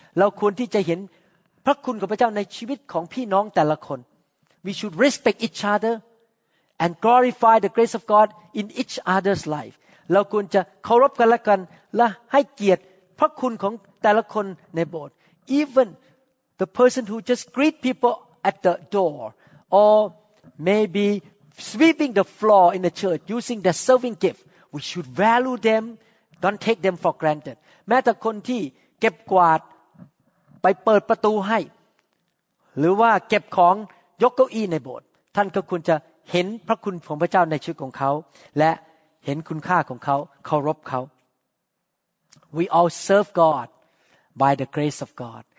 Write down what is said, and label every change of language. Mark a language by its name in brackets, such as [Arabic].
[Thai] เราควรที่จะเห็นพระคุณของพระเจ้าในชีวิตของพี่น้องแต่ละคน [English] We should respect each other and glorify the grace of God in each other's life. [Thai] เราควรจะเคารพกันและกันและให้เกียรติพระคุณของแต่ละคนในโบสถ์ [English] Even the person who just greet people at the door or maybe sweeping the floor in the church using their serving gift. We should value themDon't take them for granted. [Thai] แม้แต่คนที่เก็บกวาดไปเปิดประตูให้หรือว่าเก็บของยกเก้าอี้ในโบสถ์ท่านก็ควรจะเห็นพระคุณของพระเจ้าในชีวิตของเขาและเห็นคุณค่าของเขาเคารพเขา [English] We all serve God by the grace of God.